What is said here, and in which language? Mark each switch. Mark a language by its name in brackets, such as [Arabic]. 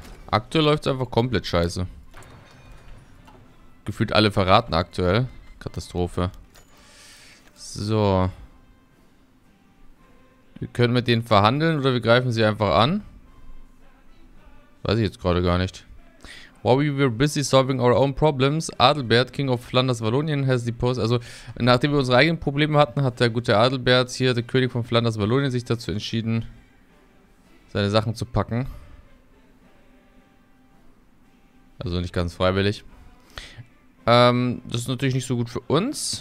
[German] Aktuell läuft es einfach komplett scheiße. Gefühlt alle verraten aktuell. Katastrophe. So. Wir können mit denen verhandeln oder wir greifen sie einfach an. Weiß ich jetzt gerade gar nicht. [English] While we were busy solving our own problems, Adelbert, King of Flanders Wallonien, has deposed. [German] Also, nachdem wir unsere eigenen Probleme hatten, hat der gute Adelbert hier, der König von Flanders Wallonien, sich dazu entschieden, seine Sachen zu packen. Also nicht ganz freiwillig. Das ist natürlich nicht so gut für uns.